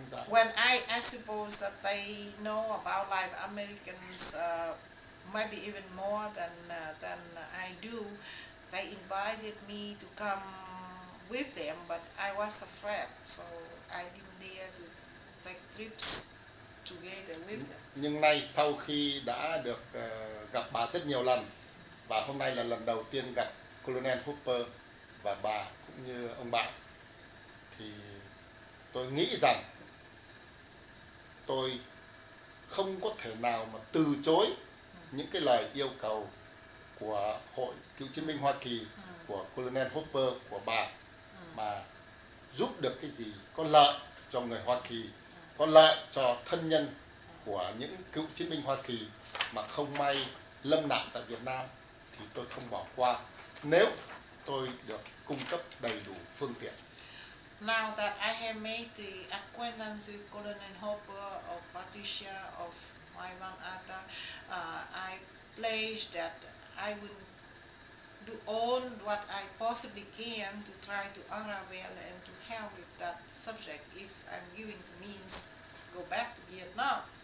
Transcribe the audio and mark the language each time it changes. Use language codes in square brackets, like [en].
[en] When I suppose that they know about live Americans, maybe even more than I do, they invited me to come with them, but I was afraid, so I didn't dare to take trips together with them. [vi] Nhưng nay sau khi đã được gặp bà rất nhiều lần, Và hôm nay là lần đầu tiên gặp Colonel Hooper và bà cũng như ông bạn. Thì tôi nghĩ rằng tôi không có thể nào mà từ chối những cái lời yêu cầu của Hội Cựu Chiến binh Hoa Kỳ, của Colonel Hooper, của bà, mà giúp được cái gì có lợi cho người Hoa Kỳ, có lợi cho thân nhân của những cựu chiến binh Hoa Kỳ mà không may lâm nạn tại Việt Nam, thì tôi không bỏ qua nếu tôi được cung cấp đầy đủ phương tiện. [en] Now that I have made the acquaintance with Colonel Hooper of Patricia of my mother, I pledge that I will do all what I possibly can to try to unravel and to help with that subject if I'm given the means to go back to Vietnam.